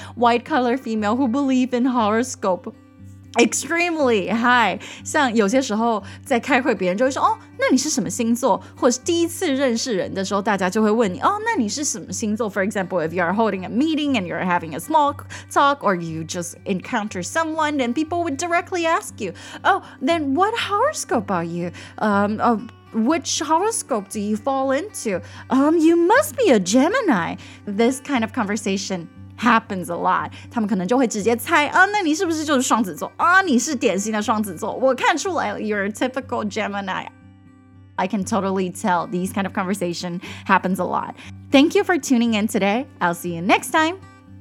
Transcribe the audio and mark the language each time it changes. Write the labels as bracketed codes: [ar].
[en] white collar female who believe in horoscopeExtremely high [zh] 像有些时候在开会别人就会说哦，那你是什么星座 [en] 或是第一次认识人的时候大家就会问你哦，那你是什么星座 For example, if you are holding a meeting and you're having a small talk or you just encounter someone then people would directly ask you Oh, then what horoscope are you? Which horoscope do you fall into? You must be a Gemini This kind of conversationHappens a lot. [zh] 他们可能就会直接猜啊，那你是不是就是双子座啊？你是典型的双子座。我看出来 ， [en] you're a typical Gemini. I can totally tell. These kind of conversation happens a lot. Thank you for tuning in today. I'll see you next time.